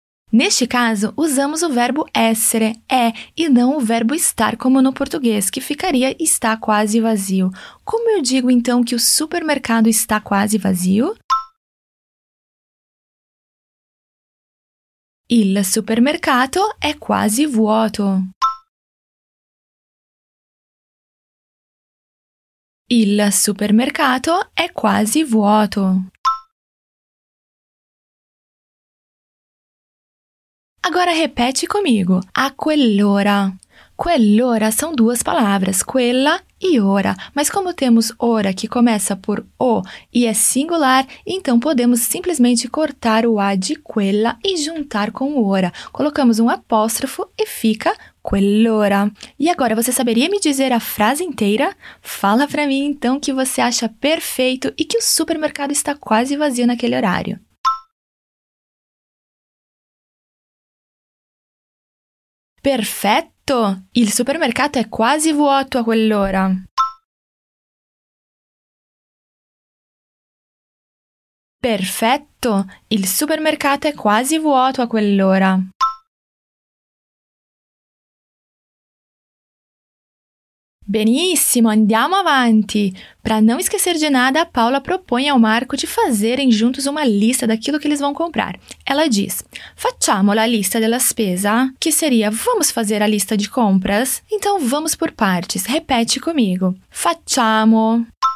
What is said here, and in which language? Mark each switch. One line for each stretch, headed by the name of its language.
Portuguese: Neste caso, usamos o verbo essere, é, e não o verbo estar, como no português, que ficaria está quase vazio. Como eu digo, então, que o supermercado está quase vazio?
Italian: Il supermercato è quasi vuoto. Il supermercato è quasi vuoto.
Portuguese: Agora repete comigo.
Italian: A quell'ora.
Portuguese: Quell'ora são duas palavras, quella e ora. Mas como temos ora que começa por o e é singular, então podemos simplesmente cortar o a de quella e juntar com ora. Colocamos um apóstrofo e fica quell'ora. E agora, você saberia me dizer a frase inteira? Fala para mim, então, que você acha perfeito e que o supermercado está quase vazio naquele horário.
Italian: Perfetto! Il supermercato è quasi vuoto a quell'ora. Perfetto! Il supermercato è quasi vuoto a quell'ora. Benissimo, andiamo avanti!
Portuguese: Para não esquecer de nada, a Paula propõe ao Marco de fazerem juntos uma lista daquilo que eles vão comprar. Ela diz,
Italian: facciamo la lista della spesa,
Portuguese: que seria, vamos fazer a lista de compras. Então, vamos por partes. Repete comigo. Facciamo.